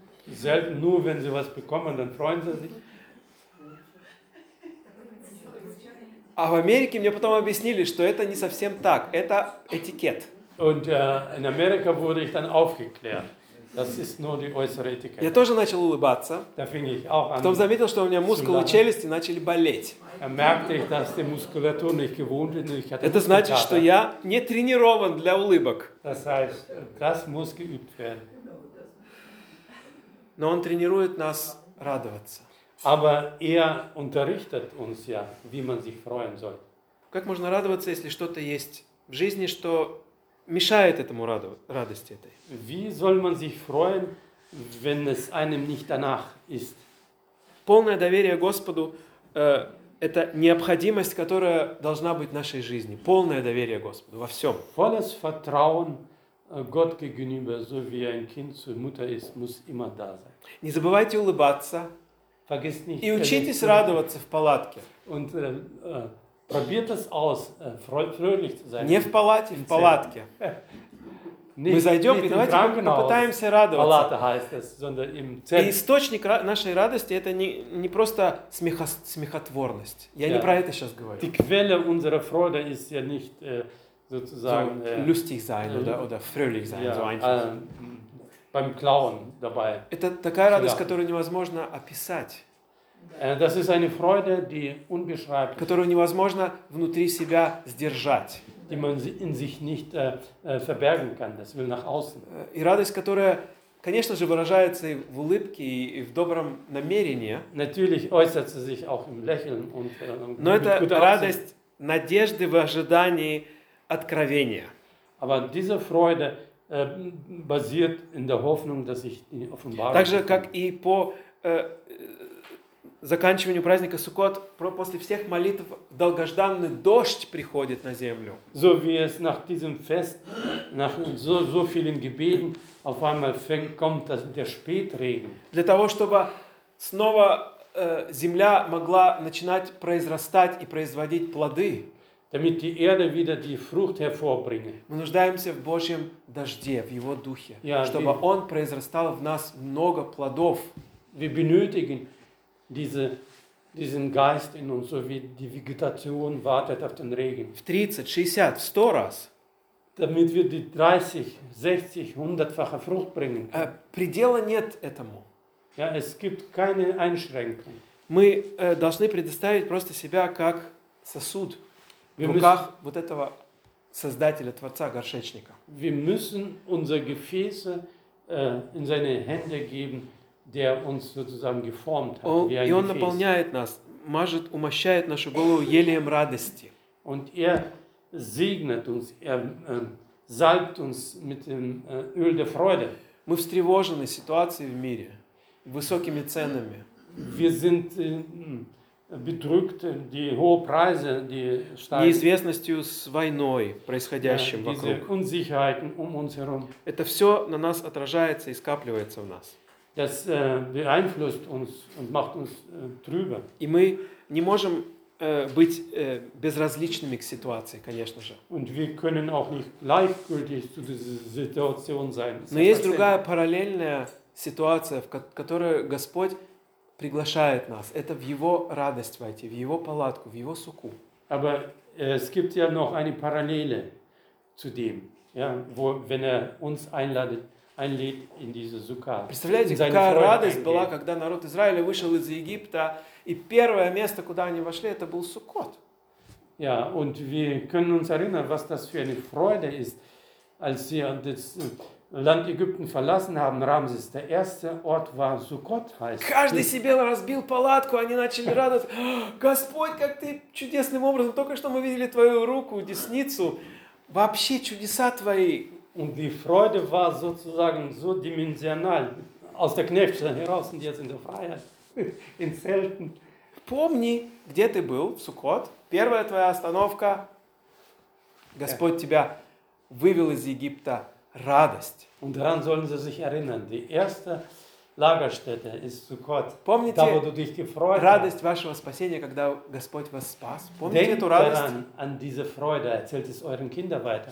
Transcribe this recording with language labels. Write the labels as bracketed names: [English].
[German] Selten, nur wenn sie was bekommen, dann freuen sie sich. [Russian] А в Америке мне потом объяснили, что это не совсем так. Это этикет. [German] Und in Amerika wurde ich dann aufgeklärt. Das ist nur die äußere Etikette. [Russian] Я тоже начал улыбаться. [German] Da fing ich auch an. [Russian] Потом заметил, что у меня мускулы челюсти начали болеть. [German] Da merkte ich, dass die Muskulatur nicht gewohnt ist. Ich hatte [Russian] это значит, что я не тренирован для улыбок. [German] Das heißt, das muss geübt werden. [Russian] Но он тренирует нас радоваться. [German] Aber unterrichtet uns ja, wie man sich freuen soll. [Russian] Как можно радоваться, если что-то есть в жизни, что мешает этому радости этой? [German] Wie soll man sich freuen, wenn es einem nicht danach ist? [Russian] Полное доверие Господу это необходимость, которая должна быть в нашей жизни. Полное доверие Господу во всем. [German] Volles Vertrauen Gott gegenüber, so wie ein Kind zur Mutter ist, muss immer da sein. [Russian] Не забывайте улыбаться. И учитесь радоваться в палатке. [German] Und probiert es aus, fröhlich zu sein. [Russian] Не в палате, в палатке. Мы зайдем и давайте попытаемся радоваться. [German] Палата heißt es, sondern im Zelt. [Russian] И источник нашей радости это не просто смехотворность. Я не про это сейчас говорю. [German] Die Quelle unserer Freude ist ja nicht sozusagen lustig sein oder fröhlich sein, so einfach. Beim Klauen dabei. [Russian] Это такая радость, которую невозможно описать. [German] Das ist eine Freude, die unbeschreiblich. [Russian] Которую невозможно внутри себя сдержать. [German] Die man in sich nicht verbergen kann. Das will nach außen. [Russian] И радость, которая конечно же, выражается и в улыбке, и в добром намерении. [German] Natürlich äußert sie sich auch im Lächeln und [Russian] Но это радость надежды в ожидании откровения. [German] Aber diese Freude basiert in der Hoffnung, dass ich die Offenbarung. [Russian] Также как и по заканчиванию праздника Суккот, после всех молитв долгожданный дождь приходит на землю. [German] So wie es nach diesem Fest, nach so, so vielen Gebeten, auf einmal kommt der Spätregen. [Russian] Для того, чтобы снова земля могла начинать произрастать и производить плоды. [German] Damit die Erde wieder die Frucht hervorbringe. [Russian] Мы нуждаемся в Божьем дожде, в Его Духе, ja, чтобы Он произрастал в нас много плодов. [German] Wir benötigen diesen Geist in uns, so wie die Vegetation wartet auf den Regen. [Russian] В 30, 60, 100 раз. [German] Damit wir die 30, 60, 100-fache Frucht bringen können. [Russian] Предела нет этому. [German] Ja, es gibt keine Einschränkung. [Russian] Мы должны предоставить просто себя как сосуд. В руках вот этого Создателя, Творца, горшечника. [German] Wir müssen unser Gefäß in seine Hände geben, der uns sozusagen geformt hat. Wie ein Gefäß. [Russian] Наполняет нас, мажет, умощает нашу голову елеем радости. [German] Und er segnet uns, er salbt uns mit dem Öl der Freude. [Russian] Мы встревожены ситуацией в мире, высокими ценами. [German] Wir sind bedrückt, die hohe Preise, die steigen. [Russian] Неизвестностью с войной, происходящим [German] diese [Russian] вокруг. [German] Unsicherheiten um uns herum. [Russian] Это все на нас отражается и скапливается в нас. [German] Das beeinflusst uns und macht uns trübe. [Russian] И мы не можем быть безразличными к ситуации, конечно же. [German] Und wir können auch nicht gleichgültig zu dieser Situation sein. [Russian] Но есть другая параллельная ситуация, в которую Господь приглашает нас. Это в Его радость войти, в Его палатку, в Его суку. [German] Aber es gibt ja noch eine Parallele zu dem, ja, wo wenn uns einlädt in diese Sukka. [Russian] Представляете, какая радость была, когда народ Израиля вышел из Египта, и первое место, куда они вошли, это был Суккот. [German] Ja, und wir können uns erinnern, was das für eine Freude ist, als sie das Land Ägypten verlassen haben, Ramses, der erste Ort war Sukkot, heißt. [Russian] Каждый себе разбил палатку, они начали радоваться. Господь, как ты чудесным образом, только что мы видели твою руку, десницу, вообще чудеса твои. [German] Und die Freude war sozusagen so dimensional, aus der Knechtschaft heraus und jetzt in der Freiheit, in Zelten. [Russian] Помни, где ты был, Суккот, первая твоя остановка, Господь тебя вывел из Египта. Радость. [German] Und daran sollen sie sich erinnern. Die erste Lagerstätte ist Sukkot. [Russian] Помните, [German] da, wo du dich gefreut hast. [Russian] Радость вашего спасения, когда Господь вас спас. Помните эту радость? [German] Denkt daran, an diese Freude. Erzählt es euren Kindern weiter.